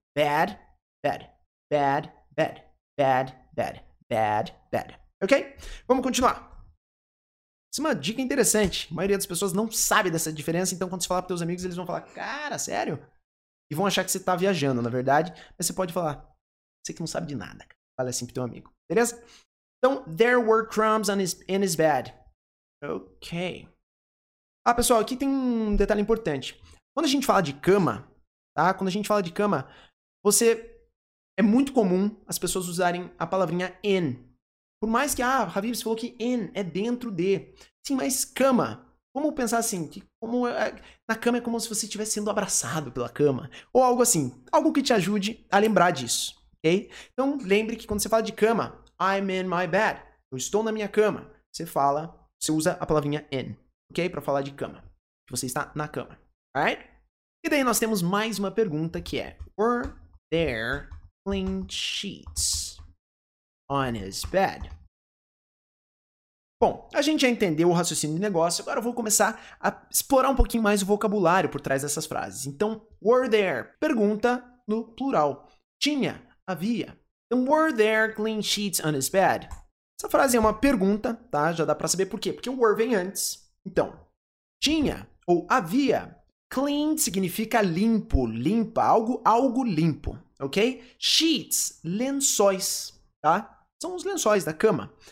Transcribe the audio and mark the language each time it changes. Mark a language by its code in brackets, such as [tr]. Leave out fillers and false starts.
[en] Bad, bad. Bad, bad. Bad, bad. Bad, bad. [pt] Ok? Vamos continuar. Isso é uma dica interessante. A maioria das pessoas não sabe dessa diferença, então quando você falar para teus amigos, eles vão falar, cara, sério? E vão achar que você tá viajando, na verdade. Mas você pode falar, você que não sabe de nada. Fala assim pro teu amigo. Beleza? [en] Então, there were crumbs in his bed. Ok. [pt] Ah, pessoal, aqui tem um detalhe importante. Quando a gente fala de cama, tá? Quando a gente fala de cama, você... É muito comum as pessoas usarem a palavrinha in. Por mais que, ah, Javi, você falou que in é dentro de. Sim, mas cama. Vamos pensar assim, que como é, na cama é como se você estivesse sendo abraçado pela cama. Ou algo assim, algo que te ajude a lembrar disso, ok? Então, lembre que quando você fala de cama, [en] I'm in my bed. [pt] Eu estou na minha cama. Você fala, você usa a palavrinha in, ok? Pra falar de cama. Que você está na cama, alright? E daí nós temos mais uma pergunta que é, [en] were there clean sheets on his bed? [pt] Bom, a gente já entendeu o raciocínio do negócio, agora eu vou começar a explorar um pouquinho mais o vocabulário por trás dessas frases. Então, [en] were there? [pt] Pergunta no plural. Tinha? Havia? [en] Então, were there clean sheets on his bed? [pt] Essa frase é uma pergunta, tá? Já dá pra saber por quê. Porque o were vem antes. Então, tinha ou havia? Clean significa limpo, limpa, algo limpo, ok? Sheets, lençóis, tá? São os lençóis da cama.